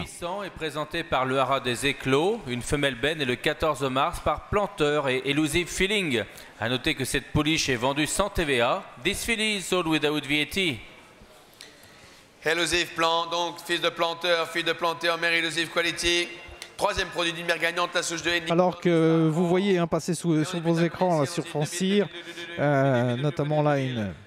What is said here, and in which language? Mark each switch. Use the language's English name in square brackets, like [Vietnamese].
[French] 800 est présenté par le Hara des Éclos, une femelle benne, et le 14 mars par Planteur et Elusive Feeling. A noter que cette pouliche est vendue sans TVA. [English] This filly is sold without VAT. [French] Elusive Plan, donc fils de Planteur, fille de Planteur, mère Elusive Quality. Troisième produit d'une mère gagnante, la souche de Hennig. Alors que vous voyez hein, passer sous vos écrans là, sur Francir, notamment là une...